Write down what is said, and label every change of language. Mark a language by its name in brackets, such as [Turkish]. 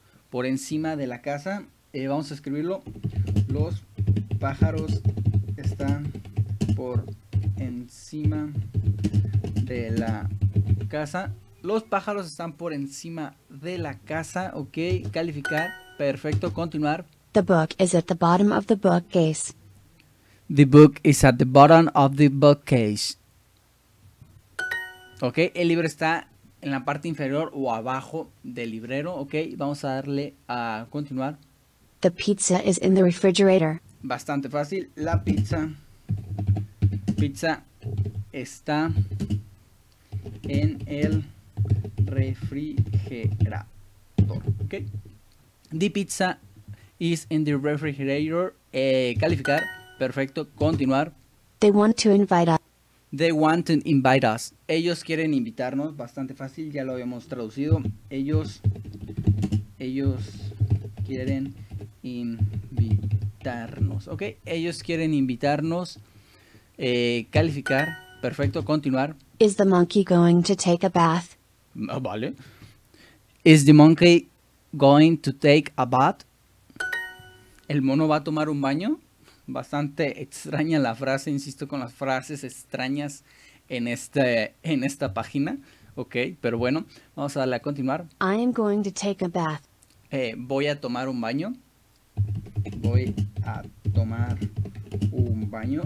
[Spanish] Por encima de la casa, vamos a escribirlo. Los pájaros están por encima de la casa. Los pájaros están por encima de la casa, ok, calificar, perfecto, continuar. [English] The book is at the bottom of the bookcase. The book is at the bottom of the bookcase. [Spanish] Ok, el libro está en la parte inferior o abajo del librero. Ok, vamos a darle a continuar. [English] The pizza is in the refrigerator. [Spanish] Bastante fácil. La pizza está en el refrigerador. Ok. [English] The pizza is in the refrigerator. [Spanish] Calificar. Perfecto. Continuar. [English] They want to invite us. They want to invite us. [Spanish] Ellos quieren invitarnos. Bastante fácil, ya lo habíamos traducido. Ellos quieren invitarnos. Ok, ellos quieren invitarnos. Calificar. Perfecto, continuar. [English] Is the monkey going to take a bath? [Spanish] Vale. [English] Is the monkey going to take a bath? [Spanish] ¿El mono va a tomar un baño? Bastante extraña la frase, insisto con las frases extrañas en esta página. Ok, pero bueno, vamos a darle a continuar. I am going to take a bath. Voy a tomar un baño. Voy a tomar un baño.